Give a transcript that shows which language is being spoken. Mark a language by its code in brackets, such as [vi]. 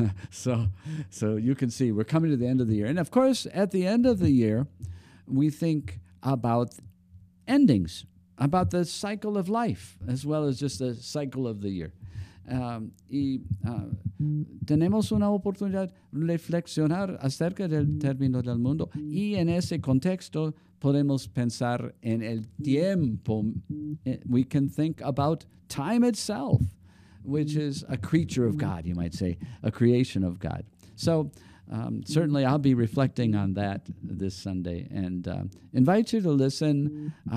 [en] So you can see we're coming to the end of the year. And of course, at the end of the year, we think about endings, about the cycle of life, as well as just the cycle of the year. [es] Tenemos una oportunidad reflexionar acerca del término del mundo, y en ese contexto podemos pensar en el tiempo. [en] We can think about time itself, which is a creature of God, you might say, a creation of God. So certainly I'll be reflecting on that this Sunday, and invite you to listen.